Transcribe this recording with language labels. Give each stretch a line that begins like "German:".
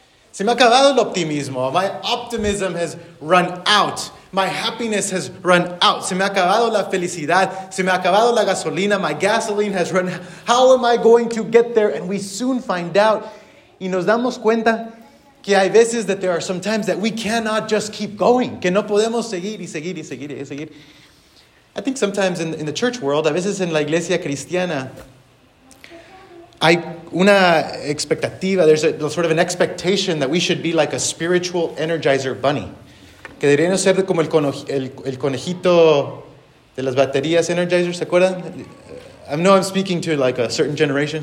Spanish: Se me ha acabado el optimismo.
English: My optimism has run out. My happiness has run out.
Spanish: Se me ha acabado la felicidad. Se me ha acabado la gasolina.
English: My gasoline has run out. How am I going to get there? And we soon find out.
Spanish: Y nos damos cuenta que hay veces
English: that there are some times that we cannot just keep going.
Spanish: Que no podemos seguir y seguir y seguir y seguir.
English: I think sometimes in the church world,
Spanish: a veces en la iglesia cristiana, hay una expectativa,
English: there's a sort of an expectation that we should be like a spiritual energizer bunny.
Spanish: Que deberíamos ser como el conejito de las baterías energizers, ¿se acuerdan?
English: I know I'm speaking to like a certain generation.